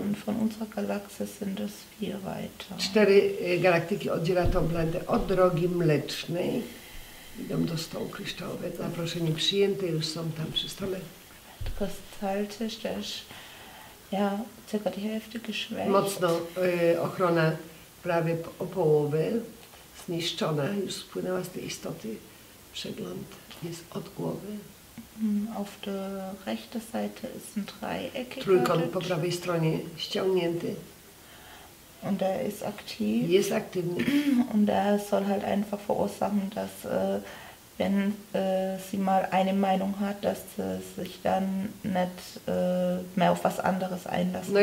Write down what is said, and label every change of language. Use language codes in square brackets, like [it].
[de] Und von unserer Galaxie sind es vier weiter. [pl] Cztery galaktyki oddziela tą planetę od drogi mlecznej. Idą do stołu kryształowego. Zaproszenie przyjęte, już są tam przy stole. [de] Kristalltisch [pl] też. [de] Ja, circa die Hälfte geschwächt. [pl] Mocno ochrona prawie o połowę. Zniszczona, już spłynęła z tej istoty. Przegląd jest od głowy. [de] Auf der rechten Seite ist ein dreieckiger. [pl] Trójkąt po prawej stronie ściągnięty. [de] Und er ist aktiv. [pl] Jest aktywny. [de] Und er soll halt einfach verursachen, dass wenn sie mal eine Meinung hat, dass sie sich dann nicht mehr auf was anderes einlassen